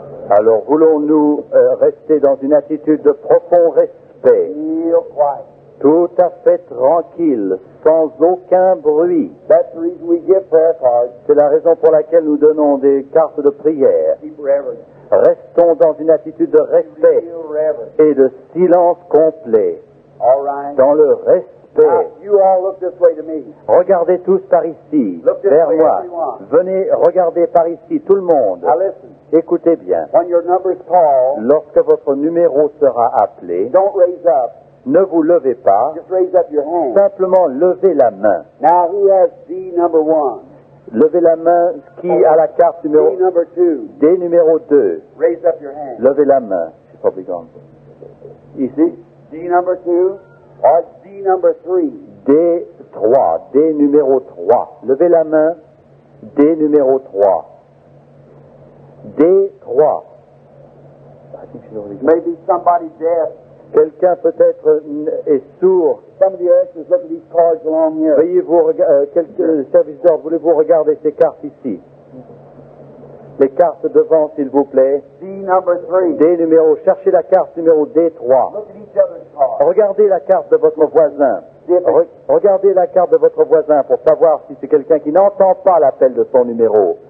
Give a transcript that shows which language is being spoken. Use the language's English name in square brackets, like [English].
[French] Alors, voulons-nous rester dans une attitude de profond respect, tout à fait tranquille, sans aucun bruit. C'est la raison pour laquelle nous donnons des cartes de prière. Restons dans une attitude de respect et de silence complet, dans le respect. [English] Now, you all look this way to me. [French] Regardez tous par ici, vers moi. [English] Everyone. [French] Venez regarder par ici, tout le monde. [English] Now listen. [French] Écoutez bien. [English] When your number is called, [French] lorsque votre numéro sera appelé, [English] don't raise up. [French] Ne vous levez pas. [English] Just raise up your hand. [French] Simplement levez la main. [English] Now, who has D number one? [French] Levez la main qui okay. a la carte numéro [English] D number two. [French] D numéro 2. [English] Raise up your hand. [French] Levez la main. [English] She's probably gone. [French] Ici. [English] D number two. Or D number 3. [French] D3. D numéro 3. Levez la main. D numéro 3. D3. [English] Maybe somebody's deaf. [French] Quelqu'un peut-être est sourd. [English] Somebody else is looking at these cards along here. [French] Veuillez-vous, serviteur, voulez-vous regarder ces cartes ici? Les cartes devant, s'il vous plaît. [English] D number 3. [French] D numéro. Cherchez la carte numéro D3. Regardez la carte de votre voisin. Regardez la carte de votre voisin pour savoir si c'est quelqu'un qui n'entend pas l'appel de son numéro.